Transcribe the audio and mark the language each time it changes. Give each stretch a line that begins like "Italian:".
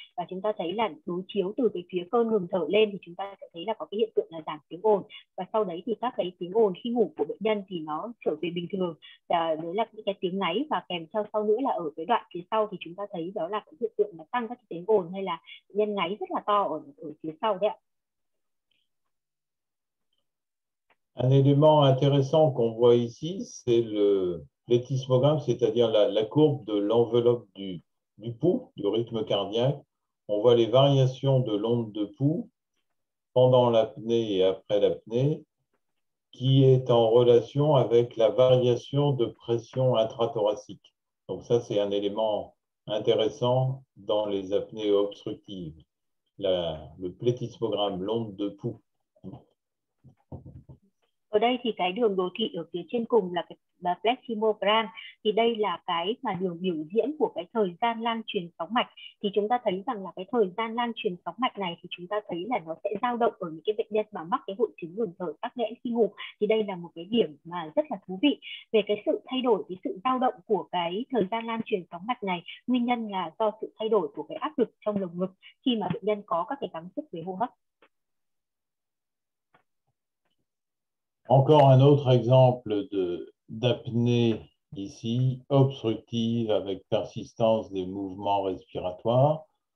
Vietnamese: Và chúng ta thấy là đối chiếu từ cái phía cơn ngừng thở lên thì chúng ta sẽ thấy là có cái hiện tượng là giảm tiếng ồn, và sau đấy thì các cái tiếng ồn khi ngủ của bệnh nhân thì nó trở về bình thường, đấy là những cái tiếng ngáy, và kèm theo sau nữa là ở cái đoạn phía sau thì chúng ta thấy đó là cái hiện tượng là tăng các cái tiếng ồn hay là bệnh nhân ngáy rất là to ở phía sau đấy ạ.
French: Un élément intéressant qu'on voit ici, c'est l'étismogramme, c'est-à-dire la courbe de l'enveloppe du pouls, du rythme cardiaque. On voit les variations de l'onde de pouls pendant l'apnée et après l'apnée, qui est en relation avec la variation de pression intrathoracique. Donc ça, c'est un élément intéressant dans les apnées obstructives, le plétismogramme, l'onde de pouls.
Vietnamese: Ở đây thì cái đường đồ thị ở phía trên cùng là cái plethysmogram, thì đây là cái mà đường biểu diễn của cái thời gian lan truyền sóng mạch. Thì chúng ta thấy rằng là cái thời gian lan truyền sóng mạch này thì chúng ta thấy là nó sẽ dao động ở những cái bệnh nhân mà mắc cái hội chứng ngừng thở tắc nghẽn khi ngủ. Thì đây là một cái điểm mà rất là thú vị về cái sự thay đổi, cái sự dao động của cái thời gian lan truyền sóng mạch này. Nguyên nhân là do sự thay đổi của cái áp lực trong lồng ngực khi mà bệnh nhân có các cái gắng sức về hô hấp.
French: Encore un autre exemple d'apnée ici, obstructive avec persistance des mouvements respiratoires.